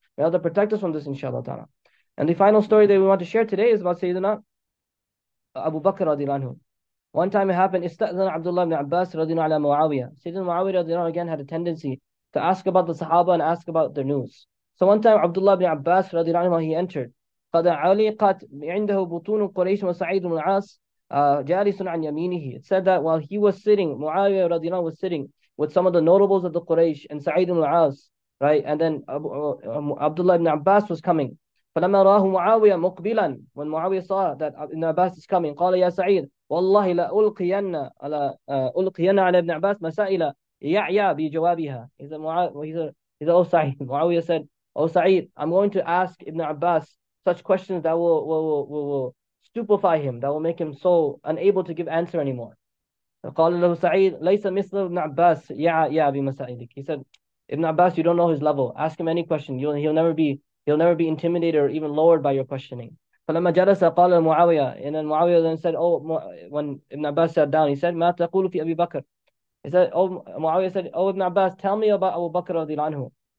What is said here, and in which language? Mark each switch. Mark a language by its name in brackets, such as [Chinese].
[English] May Allah protect us from this, inshallah ta'ala. And the final story that we want to share today is about Sayyidina Abu Bakr radiallahu anhu. One time it happened, Istazana Abdullah ibn Abbas radiallahu ala Muawiyah. Sayyidina Muawiyah radiallahu anhu again had a tendency to ask about the Sahaba and ask about their news. So one time Abdullah ibn Abbas radiallahu anhu, he entered. [Arabic] قد علقت عنده بطون قريش وسعيد بن العاص جالس عن يمينه. [English] It said that while he was sitting, Muawiyah radiallahu anhu was sitting with some of the notables of the Quraysh and Sa'id ibn al-As, right? And then Abdullah ibn Abbas was coming. [Arabic] فلما راه معاوية مقبلا, [English] when Muawiyah saw that Ibn Abbas is coming, [Arabic] قال يا سعيد والله لا ألقينا على ألقينا على ابن عباس مسائل يعيا بجوابها. [English] He said, oh Sa'id, Muawiyah said, oh Sa'id, I'm going to ask Ibn Abbas such questions that will stupefy him, that will make him so unable to give answer anymore. [Arabic] قال له سعيد ليس مثل ابن عباس يعيا بمسائلك. [English] He said, Ibn Abbas, you don't know his level. Ask him any question. He'll never be intimidated or even lowered by your questioning. [Arabic] فَلَمَّا جَلَسَ قَالَ الْمُعَاوِيَةَ. [English] And then Muawiyah then said, oh, when Ibn Abbas sat down, he said, [Arabic] مَا تَقُولُ فِي أَبِي بَكْرِ. [English] He said, oh, Muawiyah said, oh, Ibn Abbas, tell me about Abu Bakr رَضِيَ عَنْهُ.